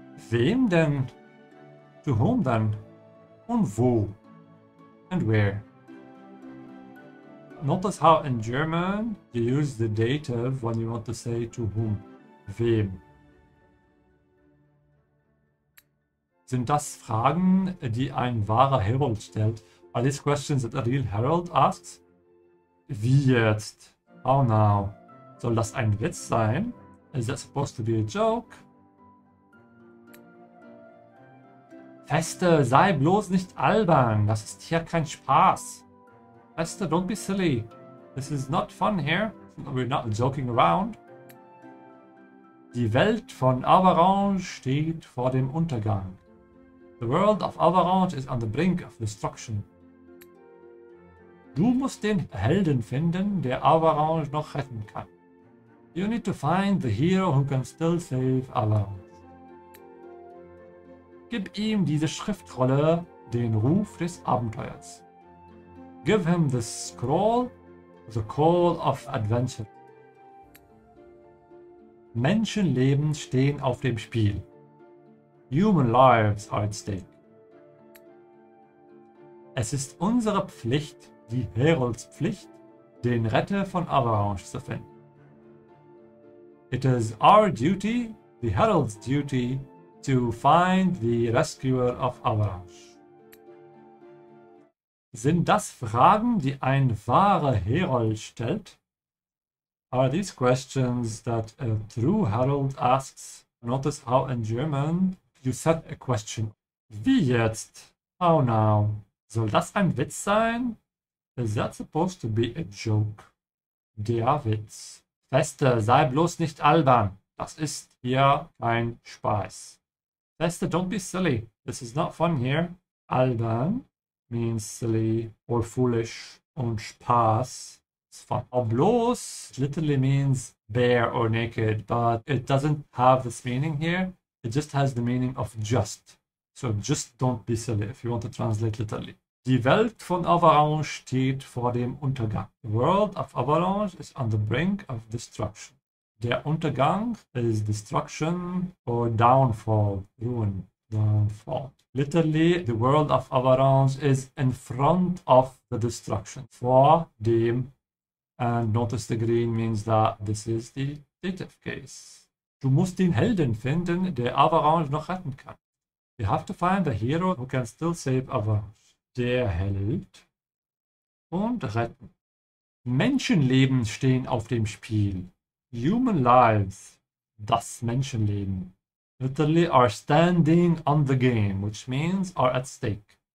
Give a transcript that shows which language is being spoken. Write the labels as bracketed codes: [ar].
[de] Wem denn? [en] To whom then? [de] Und wo? [en] And where? Notice how in German you use the dative when you want to say to whom. [de] Wem? Sind das Fragen, die ein wahrer Herold stellt? [en] Are these questions that a real Herald asks? [de] Wie jetzt? [en] How now? [de] Soll das ein Witz sein? [en] Is that supposed to be a joke? [de] Feste, sei bloß nicht albern. Das ist hier kein Spaß. [en] Feste, don't be silly. This is not fun here. We're not joking around. [de] Die Welt von Avarange steht vor dem Untergang. [en] The world of Avarange is on the brink of destruction. [de] Du musst den Helden finden, der Avarange noch retten kann. [en] You need to find the hero who can still save Avarange. [de] Gib ihm diese Schriftrolle, den Ruf des Abenteuers. [en] Give him the scroll, the call of adventure. [de] Menschenleben stehen auf dem Spiel. [en] Human lives are at stake. [de] Es ist unsere Pflicht, die Herolds Pflicht, den Retter von Avarange zu finden. [en] It is our duty, the Herald's duty, to find the rescuer of Avarange. [de] Sind das Fragen, die ein wahrer Herold stellt? [en] Are these questions that a true Herald asks? Notice how in German you set a question. [de] Wie jetzt? [en] How now? [de] Soll das ein Witz sein? [en] Is that supposed to be a joke? [de] Der Witz. Feste, sei bloß nicht albern. Das ist hier kein Spaß. [en] Feste, don't be silly. This is not fun here. Albern means silly or foolish. Und Spaß is fun. Bloß literally means bare or naked, but it doesn't have this meaning here. It just has the meaning of just. So just don't be silly if you want to translate literally. [de] Die Welt von Avarange steht vor dem Untergang. [en] The world of Avarange is on the brink of destruction. Der Untergang is destruction or downfall, ruin, downfall. Literally, the world of Avarange is in front of the destruction. Vor dem, and notice the green means that this is the dative case. [de] Du musst den Helden finden, der Avarange noch retten kann. [en] You have to find the hero who can still save Avarange. [de] Der Held und retten. Menschenleben stehen auf dem Spiel. [en] Human lives. Das Menschenleben. Literally are standing on the game, which means are at stake.